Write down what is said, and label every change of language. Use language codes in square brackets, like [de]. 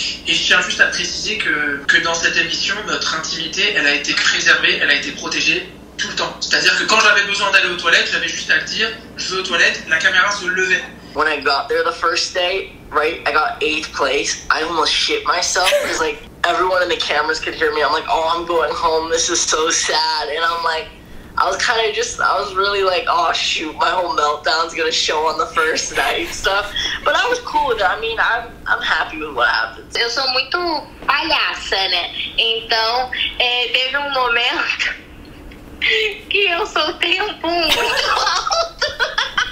[fr] Et je tiens juste à préciser que dans cette émission, notre intimité, elle a été préservée, elle a été protégée tout le temps. C'est-à-dire que quand j'avais besoin d'aller aux toilettes, j'avais juste à le dire, je vais aux toilettes, la caméra se levait. [en] When I got there the first day, right, I got 8th place, I almost shit myself, because like, everyone in the cameras could hear me, I'm like, oh, I'm going home, this is so sad, and I'm like, I was really like, oh shoot, my whole meltdown's gonna show on the first night and stuff, but I was cool with it, I mean, I'm happy with what happens. [pt] Eu sou muito palhaça, né, então, teve um momento que eu soltei um pum muito alto.